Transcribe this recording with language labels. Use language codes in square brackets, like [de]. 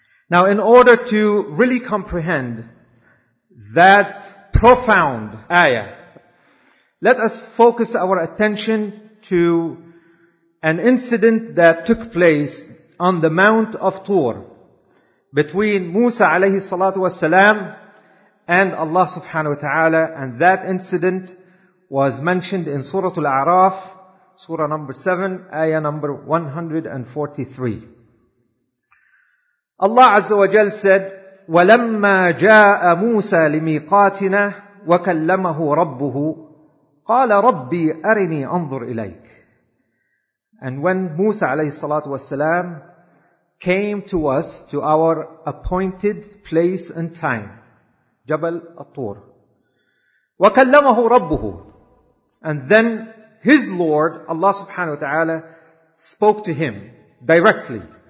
[en] Now, in order to really comprehend that profound ayah, let us focus our attention to an incident that took place on the Mount of Tur between Musa alayhi salatu wa salam and Allah subhanahu wa ta'ala. And that incident was mentioned in Surah Al-A'raf, Surah number 7, ayah number 143. Allah Azza wa Jal said, [ar] وَلَمَّا جَاءَ مُوسَى لِمِيقَاتِنَا وَكَلَّمَهُ رَبُّهُ قَالَ رَبِّي أَرِنِي أَنظُرْ إِلَيْكَ. [en] And when Musa alayhi salatu wasalam came to us to our appointed place and time, Jabal al-Tur. [ar] وَكَلَّمَهُ رَبُّهُ. [en] And then his Lord, Allah subhanahu wa ta'ala, spoke to him directly.